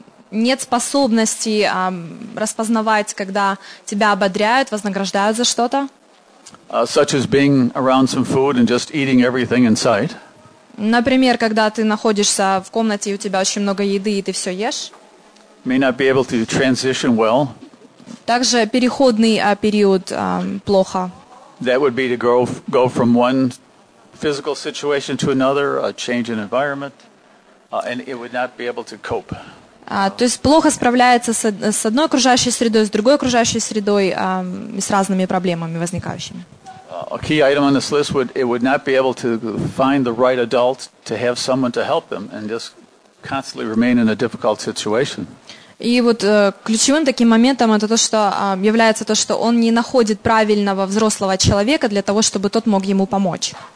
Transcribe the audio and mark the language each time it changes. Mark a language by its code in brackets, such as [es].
[ru] Нет способности распознавать, когда тебя ободряют, вознаграждают за что-то. [en] Such as being around some food and just eating everything in sight. [ru] Например, когда ты находишься в комнате, и у тебя очень много еды, и ты все ешь. [en] May not be able to transition well. [ru] Также переходный период плохо. [en] That would be to go from one physical situation to another, a change in environment, and it would not be able to cope. [ru] То есть плохо справляется с одной окружающей средой, с другой окружающей средой и с разными проблемами возникающими. [en] A key item on this list would it would not be able to find the right adult to have someone to help them and just constantly remain in a difficult situation. [ru] И вот ключевым таким моментом это то, что является то, что он не находит правильного взрослого человека для того, чтобы тот мог ему помочь.